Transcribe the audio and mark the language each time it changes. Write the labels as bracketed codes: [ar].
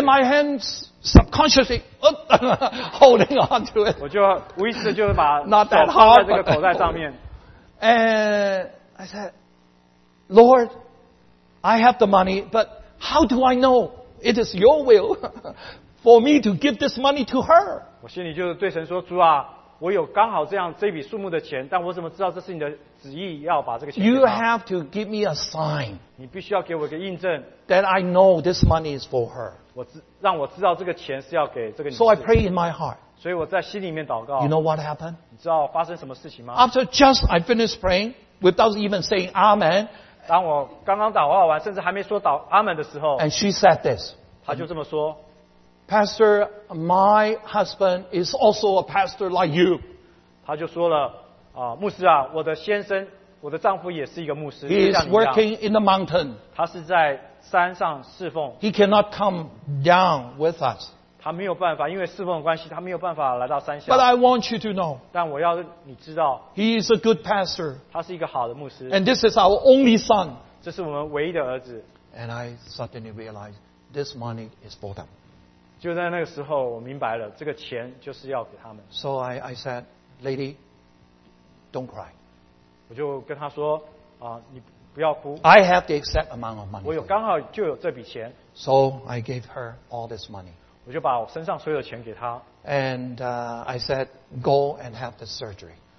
[en] And my hands subconsciously holding on to it. [zh] 我就无意识就把 [en] Not that hard, [zh] 放在这个口袋上面。 [en] And I said, Lord, I have the money, but how do I know it is your will for me to give this money to her? [zh] 我心里就对神说, 主啊, 我有刚好这样这笔数目的钱, 但我怎么知道这是你的旨意要把这个钱给他? [en] You have to give me a sign. [zh] 你必须要给我一个印证, [en] that I know this money is for her. [zh] 让我知道这个钱是要给这个女士。 [en] So I pray in my heart. [zh] 所以我在心里面祷告。 [en] You know what happened? [zh] 你知道发生什么事情吗? [en] After just I finished praying, without even saying Amen, [zh] 当我刚刚祷告完, 甚至还没说祷, Amen的时候, [en] and she said this. [zh] 她就这么说, [en] Pastor, my husband is also a pastor like you. [zh] 他就说了, 牧师啊, 我的先生, 我的丈夫也是一个牧师, [en] he is working in the mountain. [zh] 他是在山上侍奉, [en] he cannot come down with us. [zh] 他没有办法, 因为侍奉的关系, 他没有办法来到山下, [en] but I want you to know, [zh] 但我要你知道, [en] he is a good pastor. [zh] 他是一个好的牧师, [en] and this is our only son. [zh] 这是我们唯一的儿子, [en] and I suddenly realized this money is for them. [zh] 就在那个时候我明白了这个钱就是要给他们。 [en] So I said, Lady, don't cry. [zh] 我就跟他说, 你不要哭。 [en] I have the exact amount of money. [zh] 我有刚好就有这笔钱。 [en] So I gave her all this money. [zh] 我就把我身上所有的钱给她。 [en] And I said, go and have the surgery.